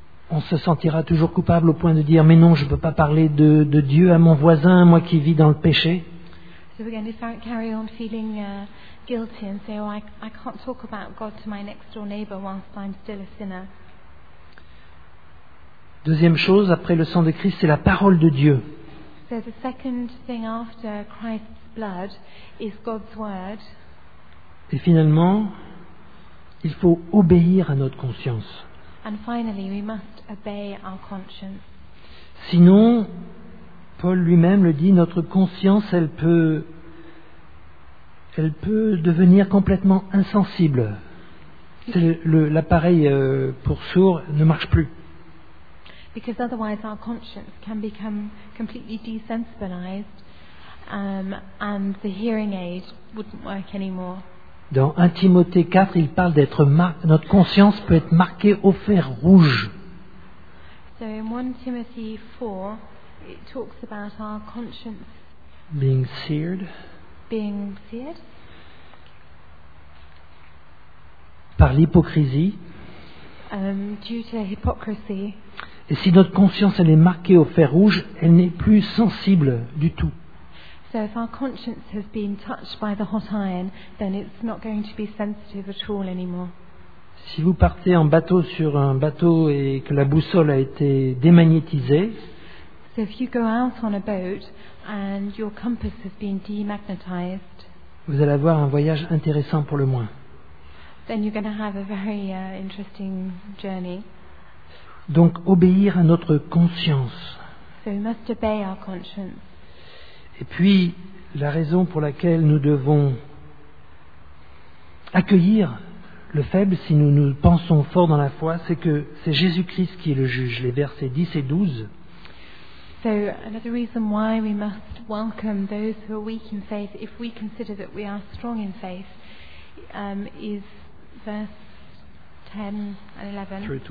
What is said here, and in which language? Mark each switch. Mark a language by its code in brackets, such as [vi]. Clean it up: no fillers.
[fr] On se sentira toujours coupable au point de dire mais non, je ne peux pas parler de Dieu à mon voisin, moi qui vis dans le péché. [en] So we're going to carry on feeling guilty and say, oh, I can't talk about God to my next door neighbor whilst I'm still a sinner. [fr] Deuxième chose, après le sang de Christ, c'est la parole de Dieu. [en] So the second thing after Christ's blood is God's word. [fr] Et finalement, il faut obéir à notre conscience. [en] And finally, we must obey our conscience. [fr] Sinon, Paul lui-même le dit, notre conscience, elle peut devenir complètement insensible. C'est l'appareil pour sourds ne marche plus. [en] Because otherwise our conscience can become completely desensitized and the hearing aid wouldn't work anymore. [fr] Dans 1 Timothée 4, il parle d'être notre conscience peut être marquée au fer rouge. [en] So in 1 Timothy 4, it talks about our conscience being seared. Being seared. [fr] Par l'hypocrisie. [en] Due to hypocrisy. [fr] Et si notre conscience elle est marquée au fer rouge, elle n'est plus sensible du tout. [en] So if our conscience has been touched by the hot iron, then it's not going to be sensitive at all anymore. [fr] Si vous partez en bateau sur un bateau et que la boussole a été démagnétisée. [en] So if you go out on a boat and your compass has been demagnetized. [fr] Vous allez avoir un voyage intéressant pour le moins. [en] Then you're going to have a very interesting journey. [fr] Donc obéir à notre conscience. [en] So we must obey our conscience. [fr] Et puis la raison pour laquelle nous devons accueillir le faible si nous nous pensons fort dans la foi, c'est que c'est Jésus-Christ qui est le juge, les versets 10 et 12. [en] So another reason why we must welcome those who are weak in faith if we consider that we are strong in faith is verse 10 and 11.